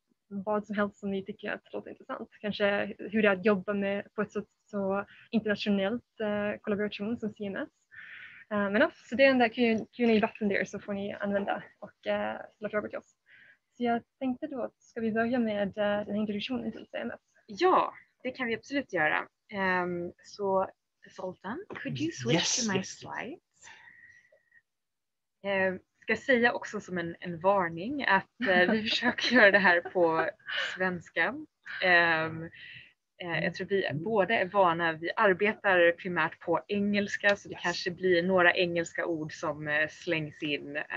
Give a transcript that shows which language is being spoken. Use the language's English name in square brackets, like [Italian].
[Swedish] Vad som helst som ni tycker att låter intressant. Kanske hur det är att jobba med på ett så internationellt kollaboration som CMS. Men så det är den där Q&A-button där, så får ni använda och ställa frågor till oss. Så jag tänkte då, ska vi börja med den här introduktionen till CMS? Ja, det kan vi absolut göra. [English] Så, Zoltan, could you switch to my slides? [Swedish] Ska säga också som en varning att vi försöker göra det här på svenska. Jag tror vi båda är vana, vi arbetar primärt på engelska, så det yes. kanske blir några engelska ord som slängs in.